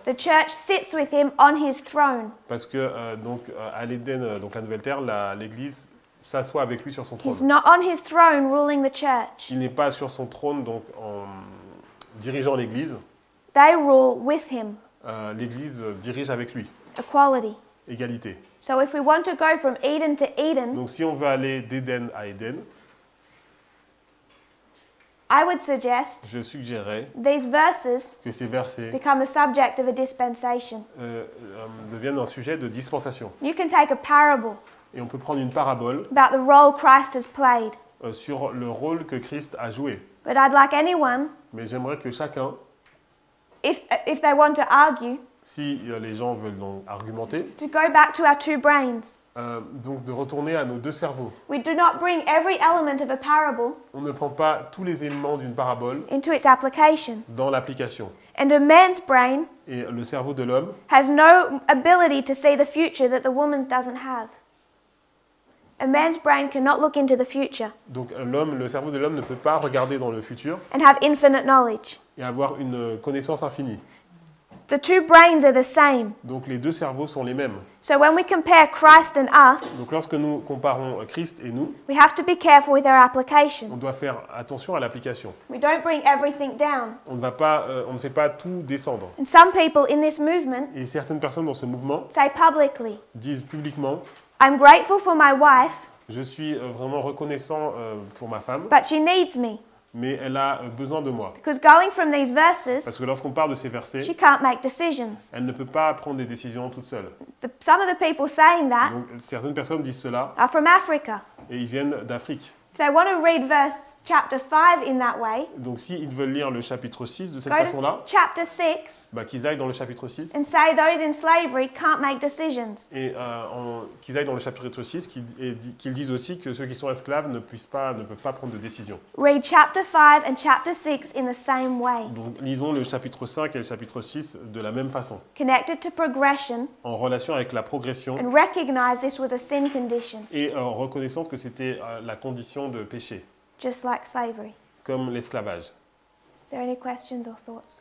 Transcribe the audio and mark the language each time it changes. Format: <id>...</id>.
<en>The church sits with him on his throne.</en> <fr>Parce que à l'Éden, donc la nouvelle terre, l'Église s'assoit avec lui sur son trône.</fr> <en>He's not on his throne ruling the church.</en> <fr>Il n'est pas sur son trône donc en dirigeant l'Église.</fr> <en>They rule with him.</en> <fr>L'Église dirige avec lui.</fr> <en>Equality.</en> <fr>Égalité.</fr> <en>So if we want to go from Eden to Eden.</en> <fr>Donc si on veut aller d'Éden à Éden.</fr> <en>I would suggest</en> <fr>je suggérerais</fr> <en>these verses</en> <fr>que ces versets</fr> <en>become the subject of a dispensation.</en> <fr>Deviennent un sujet de dispensation.</fr> <en>You can take a parable</en> <fr>et on peut prendre une parabole</fr> <en>about the role Christ has played.</en> <fr>Sur le rôle que Christ a joué.</fr> <en>But I'd like anyone,</en> <fr>mais j'aimerais que chacun,</fr> <en>if they want to argue,</en> <fr>si les gens veulent donc argumenter,</fr> <en>to go back to our two brains.</en> <fr>Donc de retourner à nos deux cerveaux.</fr> <en>We do not bring every element of a parable.</en> <fr>On ne prend pas tous les éléments d'une parabole.</fr> <en>Into its application.</en> <fr>Dans l'application.</fr> <en>And a man's brain.</en> <fr>Et le cerveau de l'homme.</fr> <en>Has no ability to see the future that the woman doesn't have. A man's brain cannot look into the future.</en> <fr>Donc l'homme, le cerveau de l'homme ne peut pas regarder dans le futur.</fr> <en>And have infinite knowledge.</en> <fr>Et avoir une connaissance infinie.</fr> <en>The two brains are the same.</en> <fr>Donc les deux cerveaux sont les mêmes.</fr> <en>So when we compare Christ and us,</en> <fr>donc lorsque nous comparons Christ et nous,</fr> <en>we have to be careful with our application.</en> <fr>On doit faire attention à l'application.</fr> <en>We don't bring everything down.</en> <fr>On ne fait pas tout descendre.</fr> <en>And some people in this movement,</en> <fr>et certaines personnes dans ce mouvement,</fr> <en>say publicly,</en> <fr>disent publiquement,</fr> <en>I'm grateful for my wife,</en> <fr>je suis vraiment reconnaissant pour ma femme,</fr> <en>but she needs me.</en> <fr>Mais elle a besoin de moi.</fr> <en>Because going from these verses,</en> <fr>parce que lorsqu'on parle de ces versets,</fr> <en>she can't make decisions.</en> <fr>Elle ne peut pas prendre des décisions toute seule.</fr> <en>Some of the people saying that,</en> <fr>donc, certaines personnes disent cela,</fr> <en>are from Africa.</en> <fr>Et ils viennent d'Afrique.</fr> <en>If they want to read verse chapter 5 in that way,</en> <fr>donc si ils veulent lire le chapitre 6 de cette façon-là,</fr> <en>chapter 6,</en> <fr>bah, qu'ils aillent dans le chapitre 6</fr> <en>and say those in slavery can't make decisions.</en> <fr>Et qu'ils aillent dans le chapitre 6 qu'ils disent aussi que ceux qui sont esclaves ne peuvent pas prendre de décision.</fr> <en>Read chapter 5 and chapter 6 in the same way.</en> <fr>Donc lisons le chapitre 5 et le chapitre 6 de la même façon.</fr> <en>Connected to progression,</en> <fr>en relation avec la progression,</fr> <en>and recognize this was a sin condition.</en> <fr>Et en reconnaissant que c'était la condition de péché,</fr> <en>just like slavery.</en> <fr>Comme l'esclavage.</fr> <en>Are there any questions or thoughts?</en>